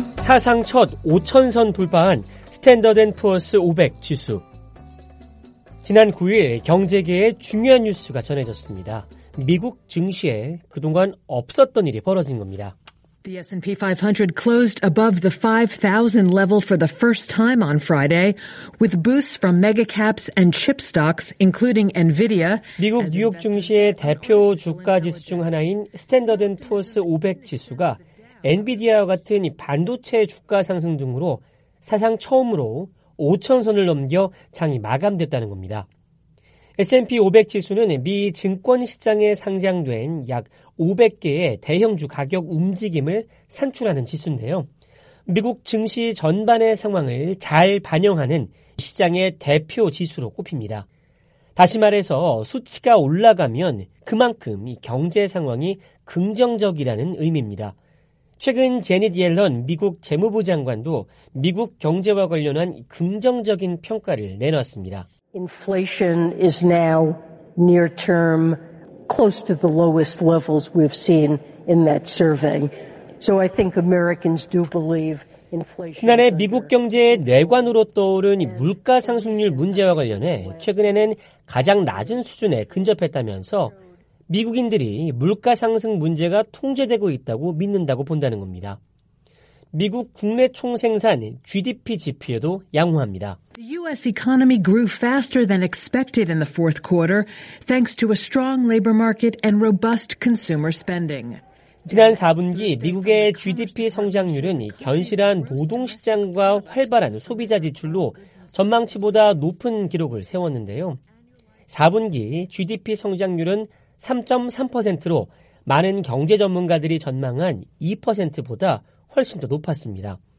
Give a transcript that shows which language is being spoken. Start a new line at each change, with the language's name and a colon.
Korean: 사상 첫 5천선 돌파한 스탠더드앤푸어스 500 지수. 지난 9일 경제계의 중요한 뉴스가 전해졌습니다. 미국 증시에 그동안 없었던 일이 벌어진 겁니다.
English: The S&P 500 closed above the 5,000 level for the first time on Friday, with boosts from mega caps and chip stocks, including Nvidia.
Korean: 미국 뉴욕 증시의 대표 주가 지수 중 하나인 스탠더드 앤 푸어스 500 지수가 엔비디아와 같은 반도체 주가 상승 등으로 사상 처음으로 5,000선을 넘겨 장이 마감됐다는 겁니다. S&P 500 지수는 미 증권시장에 상장된 약 500개의 대형주 가격 움직임을 산출하는 지수인데요. 미국 증시 전반의 상황을 잘 반영하는 시장의 대표 지수로 꼽힙니다. 다시 말해서 수치가 올라가면 그만큼 이 경제 상황이 긍정적이라는 의미입니다. 최근 제닛 옐런 미국 재무부 장관도 미국 경제와 관련한 긍정적인 평가를 내놨습니다.
English: Inflation is now near term close to the lowest levels we've seen in that survey. So I think Americans do believe inflation.
Korean: 지난해 미국 경제의 뇌관으로 떠오른 물가 상승률 문제와 관련해 최근에는 가장 낮은 수준에 근접했다면서 미국인들이 물가 상승 문제가 통제되고 있다고 믿는다고 본다는 겁니다. 미국 국내 총생산 GDP 지표에도 양호합니다.
English: The U.S. economy grew faster than expected in the fourth quarter, thanks to a strong labor market and robust consumer spending.
Korean: 지난 4분기 미국의 GDP 성장률은 견실한 노동시장과 활발한 소비자 지출로 전망치보다 높은 기록을 세웠는데요. 4분기 GDP 성장률은 3.3%로 많은 경제 전문가들이 전망한 2%보다 훨씬 더 높았습니다.